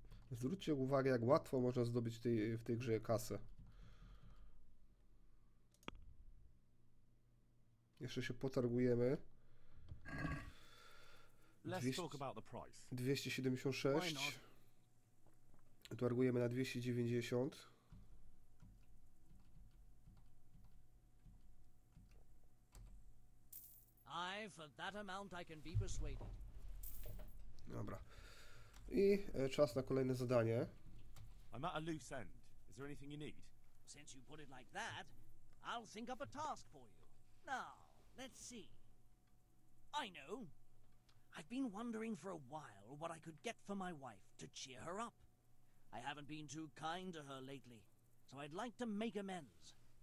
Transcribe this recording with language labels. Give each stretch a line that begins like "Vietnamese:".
Polish: Zwróćcie uwagę, jak łatwo można zdobyć w tej grze kasę. Jeszcze się potargujemy.
English: Let's talk about the price.
Polish: 276. Targujemy na 290.
English: I for that amount I can be persuaded.
Polish: Dobra. I czas na kolejne zadanie.
English: I'm at a loose end. Is there anything you need? Since you put it like that, I'll think up a task for you. Now. Let's see. I know. I've been wondering for a while what I could get for my wife to cheer her up. I haven't been too kind to her lately, so I'd like to make amends.